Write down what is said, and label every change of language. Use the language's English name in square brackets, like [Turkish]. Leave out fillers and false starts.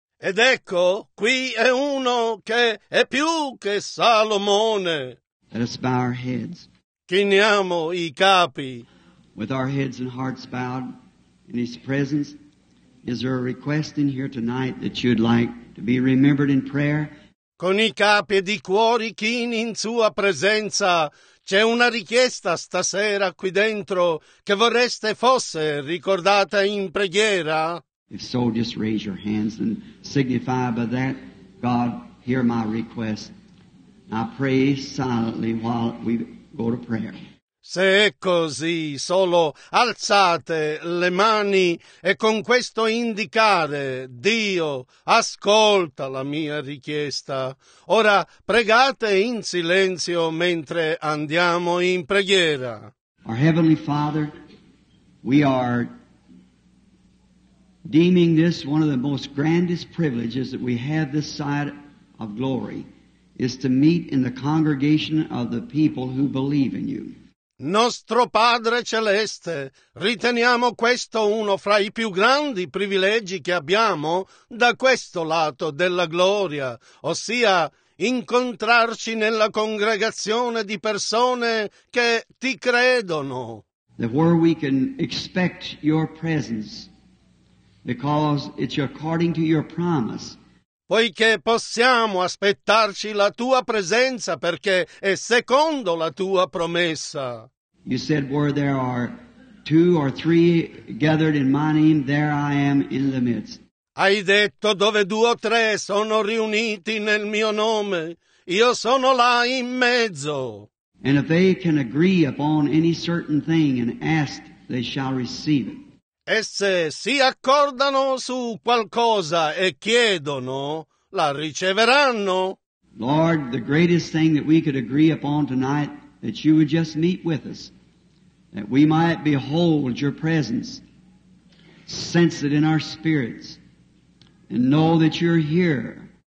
[Italian] Ed ecco, qui è uno che è più che Salomone. [English] Let us bow our heads. [Italian] Chiniamo I capi. [English] With our heads and hearts bowed in His presence, is there a request in here tonight that you'd like to be remembered in prayer? [Italian] Con I capi e di cuori chini in sua presenza, c'è una richiesta stasera qui dentro che vorreste fosse ricordata in preghiera? [English] If so, just raise your hands and signify by that, God, hear my request. I pray silently while we go to prayer. [Italian] Se è così, solo alzate le mani e con questo indicare, Dio, ascolta la mia richiesta. Ora pregate in silenzio mentre andiamo in preghiera. [English] Our Heavenly Father, we are deeming this one of the most grandest privileges that we have this side of glory. Is to meet in the congregation of the people who believe in you. [Italian] Nostro Padre Celeste, riteniamo questo uno fra I più grandi privilegi che abbiamo da questo lato della gloria, ossia incontrarci nella congregazione di persone che ti credono. [English] that where we can expect your presence, because it's according to your promise. [Italian] Poiché possiamo aspettarci la tua presenza, perché è secondo la tua promessa. [English] You said where there are two or three gathered in my name, there I am in the midst. [Italian] Hai detto dove due o tre sono riuniti nel mio nome, io sono là in mezzo. [English] And if they can agree upon any certain thing and ask, they shall receive it. [Italian] E se si accordano su qualcosa e chiedono, la riceveranno. [English] Lord, the greatest thing that we could agree upon tonight, that you would just meet with us, that we might behold your presence, sense it in our spirits, and know that you're here.